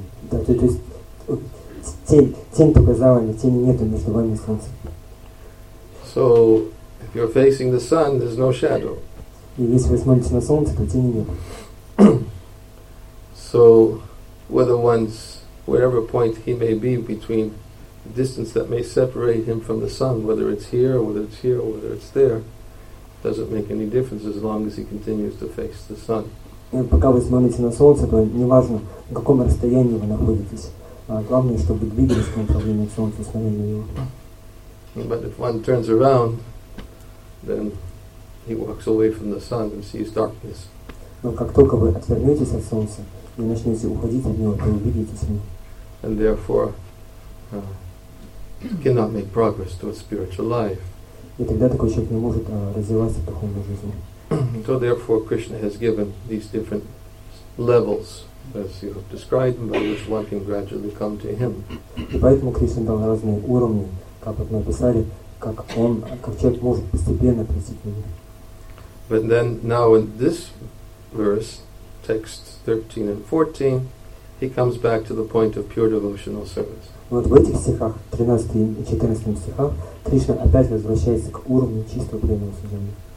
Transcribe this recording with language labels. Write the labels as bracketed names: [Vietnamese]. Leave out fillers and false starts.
[Russian] Да, то есть тень только за вами, тени нету между вами и солнцем. [English] So, if you're facing the sun, there's no shadow. [Russian] И если вы смотрите на солнце, то тени нет. [English] So, whether one's wherever point he may be between distance that may separate him from the sun, whether it's here, whether it's here, whether it's there, doesn't make any difference as long as he continues to face the sun. [Russian] Пока вы смотрите на солнце, то неважно, на каком расстоянии вы находитесь. Главное, чтобы двигались в направлении солнца, смотрели на него. [English] But if one turns around, then he walks away from the sun and sees darkness. [Russian] Но как только вы отвернетесь от солнца и начнете уходить от него, то увидите тьму. [English] And therefore, cannot make progress towards spiritual life. [Russian] И тогда такой человек не может развиваться в духовной жизни. [English] So therefore Krishna has given these different levels, as you have described, by which one can gradually come to him. [Russian] И поэтому Кришна дал разные уровни, как вот написали, как он, как человек может постепенно прийти к нему. [English] But then, now in this verse, text 13 and 14, he comes back to the point of pure devotional service. [Russian] Вот в этих стихах, 13 и 14 стихах, Кришна опять возвращается к уровню чистого преданного служения.